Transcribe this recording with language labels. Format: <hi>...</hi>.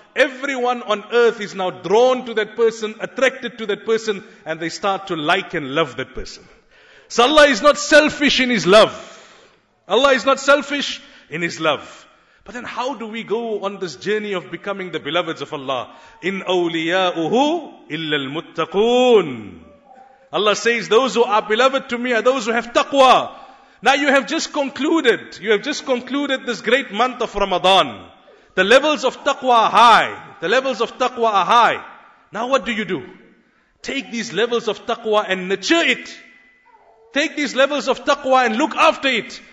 <en>Everyone on earth is now drawn to that person, attracted to that person, and they start to like and love that person. So Allah is not selfish in His love. Allah is not selfish in His love. But then how do we go on this journey of becoming the beloveds of Allah?</en> <ar>In أَوْلِيَاؤُهُ إِلَّا الْمُتَّقُونَ.</ar> <en>Allah says, those who are beloved to me are those who have taqwa. Now you have just concluded this great month of Ramadan. The levels of taqwa are high. The levels of taqwa are high. Now what do you do? Take these levels of taqwa and nurture it. Take these levels of taqwa and look after it.</en>